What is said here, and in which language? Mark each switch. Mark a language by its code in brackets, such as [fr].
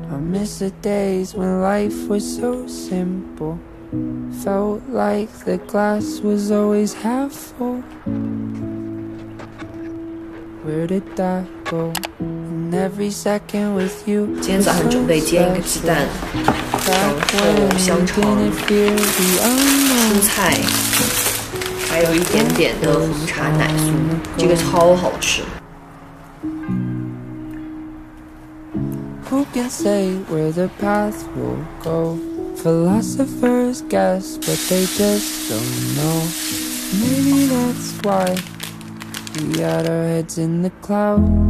[en] Miss the days when life was so simple. Felt like the glass was always half full. Where did that go? And every second with you. [zh] 今天早上准备煎一个鸡蛋，然后香肠、蔬菜，还有一点点的红茶奶酥，这个超好吃。 [en] Who can say where the path will go? Philosophers guess, but they just don't know. Maybe that's why we had our heads in the cloud.